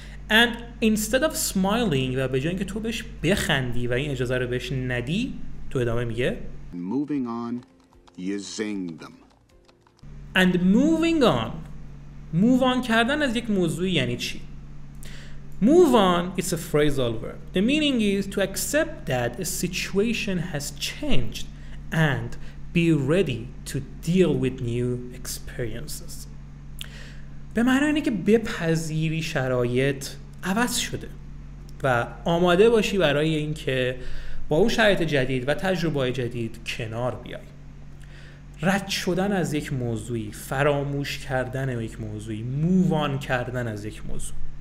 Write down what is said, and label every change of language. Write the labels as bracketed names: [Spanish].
[English] And instead of smiling، [Persian] و به جای اینکه تو بهش بخندی و این اجازه رو بهش ندی، تو ادامه میگه [English] moving on you zing them. And moving on، move on [Persian] کردن از یک موضوع یعنی چی؟ [English] Move on is a phrasal verb. The meaning is to accept that a situation has changed and be ready to deal with new experiences. [Persian] به معنی اینه که بپذیری شرایط عوض شده و آماده باشی برای اینکه با اون شرایط جدید و تجربه جدید کنار بیای. رد شدن از یک موضوعی، فراموش کردن یک موضوعی، move on کردن از یک موضوع.